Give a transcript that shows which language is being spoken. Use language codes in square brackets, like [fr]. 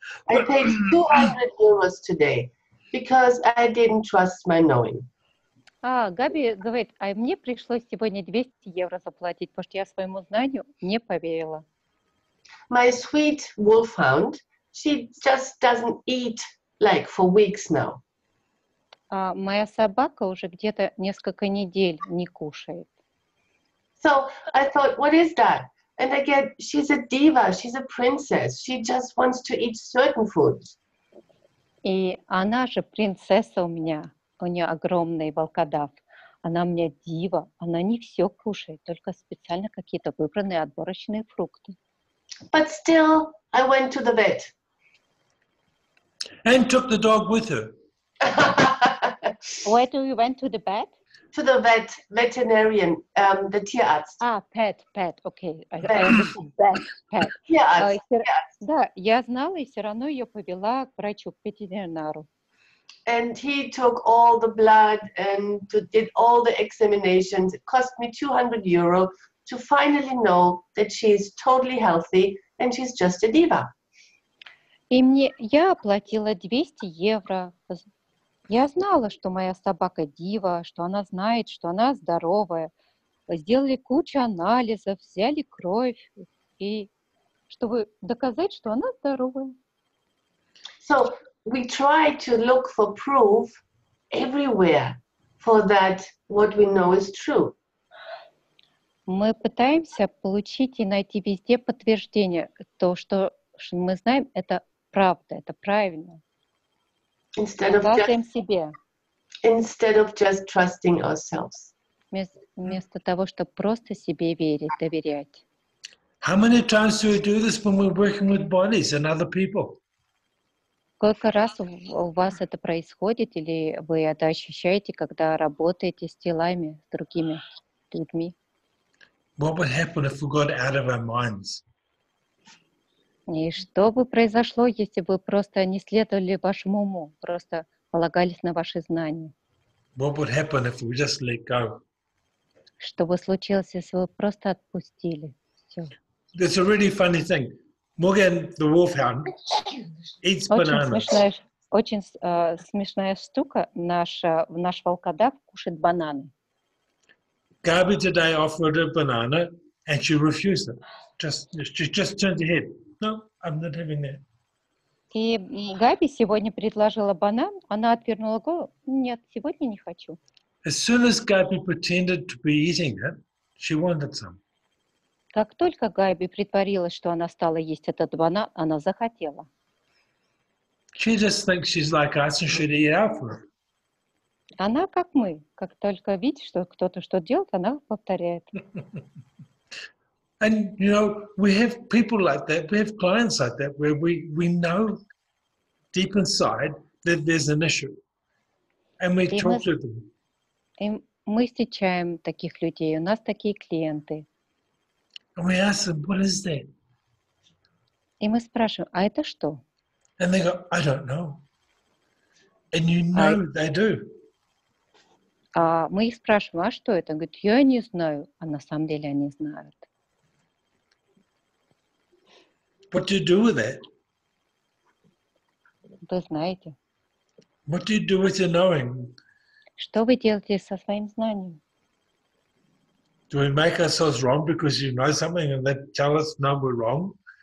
[en] I paid 200 euros today because I didn't trust my knowing. [ru] А, Габи говорит, а мне пришлось сегодня 200 евро заплатить, потому что я своему знанию не поверила. [en] My sweet wolfhound, she just doesn't eat like for weeks now. [ru] Моя собака уже где-то несколько недель не кушает. [en] So I thought, what is that? And again, she's a diva, she's a princess. She just wants to eat certain foods. [ru] И она же принцесса у меня. У нее огромный волкодав. Она у меня дива. Она не все кушает, только специально какие-то выбранные отборочные фрукты. [en] But still, I went to the vet. And took the dog with her. Where do you went to the vet? To the vet, veterinarian, the Tierarzt. Ah, pet, okay. Vet, pet. Tierarzt. [ru] Да, я знала, и все равно ее повела к врачу, к ветеринару. [en] And he took all the blood and did all the examinations. It cost me 200 euro to finally know that she is totally healthy and she's just a diva. [ru] И мне, я оплатила 200 евро. Я знала, что моя собака дива, что она знает, что она здоровая. Сделали кучу анализов, взяли кровь, и чтобы доказать, что она здоровая. [en] So we try to look for proof everywhere for that what we know is true. [ru] Мы пытаемся получить и найти везде подтверждение. То, что мы знаем, это правда, это правильно. [en] Instead of just trusting ourselves. [ru] Вместо того, чтобы просто себе верить, доверять. [en] How many times do we do this when we're working with bodies and other people? [ru] Сколько раз у вас это происходит, или вы это ощущаете, когда работаете с телами, с другими людьми? [en] What would happen if we got out of our minds? [ru] И что бы произошло, если бы просто не следовали вашему уму, просто полагались на ваши знания? [en] What would happen if we just let go? [ru] Что бы случилось, если бы просто отпустили все? [en] It's a really funny thing. Morgan, the wolfhound, eats bananas. [ru] Очень смешная штука. Наш волкодав кушает бананы. [en] Gabi today offered a banana, and she refused it. She just turned her head. No, I'm not having that. [ru] И Габи сегодня предложила банан, она отвернула голову. Нет, сегодня не хочу. [en] As soon as Gabi pretended to be eating it, she wanted some. [ru] Как только Габи притворилась, что она стала есть этот банан, она захотела. [en] She just thinks she's like us and should eat after. [ru] Она как мы, как только видит, что кто-то что-то делает, она повторяет. [en] And you know, we have people like that, we have clients like that, where we know deep inside that there's an issue. And we talk to them. [ru] И мы встречаем таких людей, у нас такие клиенты. [en] And we ask them, what is that? [ru] И мы спрашиваем, а это что? [en] And they go, I don't know. And you know they do. [ru] А мы их спрашиваем, а что это? Говорит, я не знаю, а на самом деле они знают. [en] What do you do with that? [ru] Вы знаете. [en] What do you do with your knowing? [ru] Что вы делаете со своим знанием? [en] Do we make ourselves wrong because you know something and they tell us no, we're wrong?